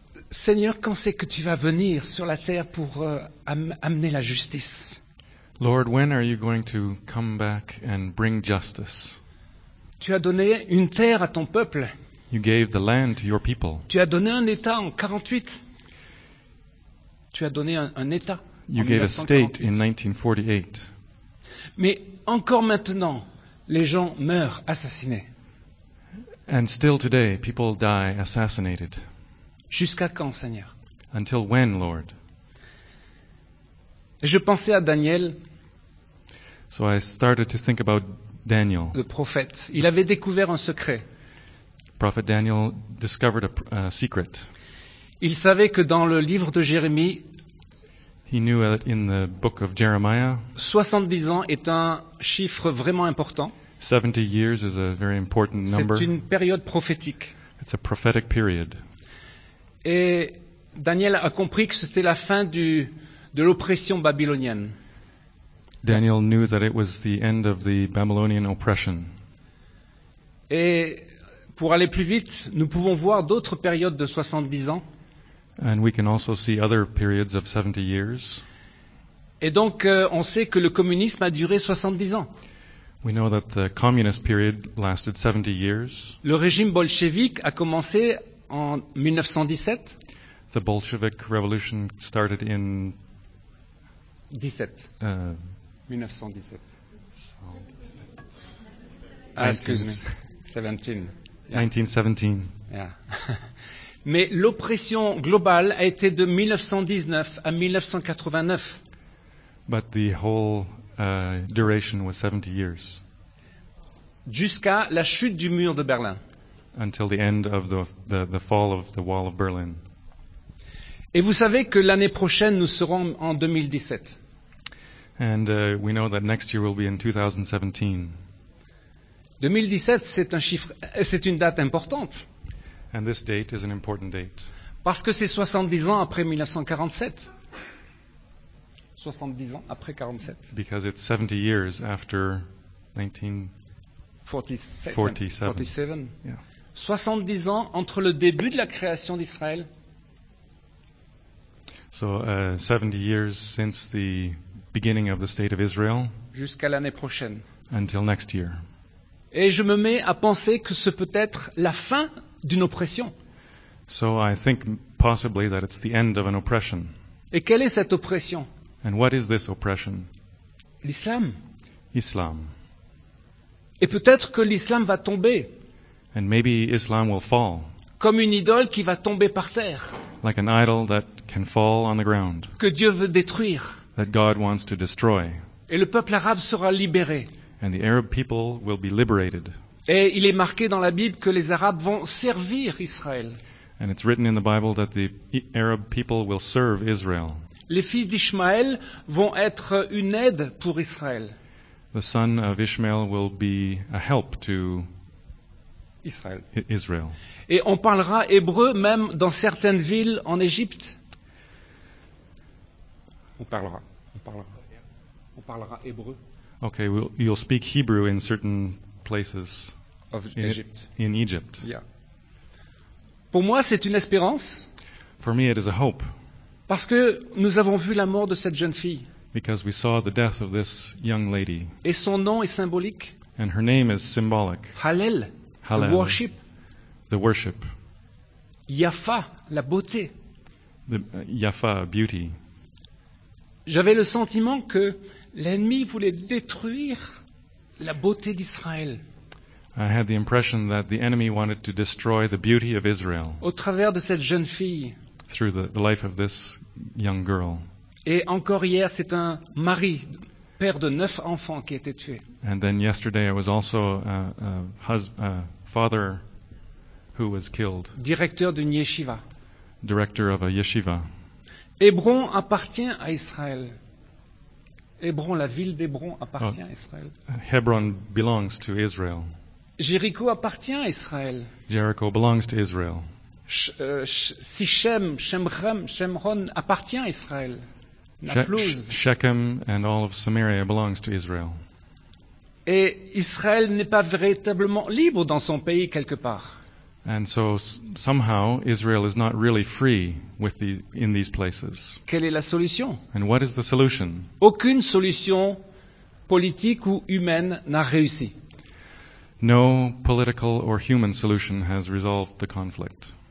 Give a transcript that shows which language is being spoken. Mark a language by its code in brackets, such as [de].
[fr] Seigneur, quand c'est que tu vas venir sur la terre pour amener la justice? [en] Lord, when are you going to come back and bring justice? [fr] Tu as donné une terre à ton peuple. [en] You gave the land to your people. [fr] Tu as donné un état en 48. Tu as donné un état. [en] You gave a state in 1948. [fr] Mais encore maintenant, les gens meurent assassinés. [en] And still today, people die assassinated. [fr] Jusqu'à quand, Seigneur? [en] Until when, Lord? [fr] Je pensais à Daniel. [en] So I started to think about Daniel. [fr] Le prophète, il avait découvert un secret. [en] Prophet Daniel discovered a secret. [fr] Il savait que dans le livre de Jérémie, [en] he knew that in the book of Jeremiah, [fr] 70 ans est un chiffre vraiment important. [en] 70 years is a very important number. [fr] C'est une période prophétique. [en] It's a prophetic period. [fr] Et Daniel a compris que c'était la fin de l'oppression babylonienne. [en] Daniel knew that it was the end of the Babylonian oppression. [fr] Et pour aller plus vite, nous pouvons voir d'autres périodes de 70 ans. [en] And we can also see other periods of 70 years. [fr] Et donc on sait que le communisme a duré 70 ans. [en] We know that the communist period lasted 70 years. [fr] Le régime bolchevique a commencé en 1917. [en] The Bolshevik Revolution started in 1917. 1917. [fr] Yeah. Mais l'oppression globale a été de 1919 à 1989. [en] But the whole duration was 70 years. [fr] Jusqu'à la chute du mur de Berlin. [en] Until the end of the fall of the wall of Berlin. [fr] Et vous savez que l'année prochaine nous serons en 2017. [en] And we know that next year will be in 2017. [fr] 2017, c'est un chiffre, c'est une date importante. [en] And this date is an important date. [fr] Parce que c'est 70 ans après 1947. 70 ans après 47. [en] Because it's 70 years after 1947. Yeah. [fr] 70 ans entre le début de la création d'Israël. [en] So 70 years since the beginning of the state of Israel. [fr] Jusqu'à l'année prochaine. [en] Until next year. [fr] Et je me mets à penser que ce peut être la fin d'une oppression. [en] So I think possibly that it's the end of an oppression. [fr] Et quelle est cette oppression? [en] And what is this oppression? [fr] L'islam. [en] Islam. [fr] Et peut-être que l'islam va tomber. [en] And maybe Islam will fall. [fr] Comme une idole qui va tomber par terre. [en] Like an idol that can fall on the ground. [fr] Que Dieu veut détruire. [en] That God wants to destroy. [fr] Et le peuple arabe sera libéré. [en] And the Arab people will be liberated. [fr] Et il est marqué dans la Bible que les Arabes vont servir Israël. [en] And it's written in the Bible that the Arab people will serve Israel. [fr] Les fils d'Ishmaël vont être une aide pour Israël. [en] The son of Ishmael will be a help to [fr] Israël. [en] Israel. [fr] Et on parlera hébreu même dans certaines villes en Égypte. On parlera hébreu. [en] Okay, you'll speak Hebrew in certain places of Egypt. In Egypt. [fr] Yeah. Pour moi, c'est une espérance. [en] For me, it is a hope. [fr] Parce que nous avons vu la mort de cette jeune fille. [en] Because we saw the death of this young lady. [fr] Et son nom est symbolique. [en] And her name is symbolic. [fr] Hallel. [en] Hallel. The worship. The worship. [fr] Yafa, la beauté. [en] The Yafa, beauty. [fr] J'avais le sentiment que l'ennemi voulait détruire la beauté d'Israël. [en] I had the impression that the enemy wanted to destroy the beauty of Israel. [fr] Au travers de cette jeune fille. [en] Through the life of this young girl. [fr] Et encore hier, c'est un mari, père de 9 enfants, qui a été tué. [en] And then yesterday, it was also a father who was killed. [fr] Directeur d'une yeshiva. [en] Director of a yeshiva. [fr] Hébron appartient à Israël. Hébron, la ville d'Hébron appartient à Israël. [en] Hebron belongs to Israel. [fr] Jéricho appartient à Israël. [en] Jericho belongs to Israel. [fr] Shemron appartient à Israël. [en] Shechem and all of Samaria belongs to Israel. [fr] Et Israël n'est pas véritablement libre dans son pays quelque part. [en] And so somehow Israel is not really free with the, in these places. [fr] Quelle est la solution? [en] And what is the solution? [fr] Aucune solution politique ou humaine n'a réussi. [en] No political or human solution has resolved the conflict.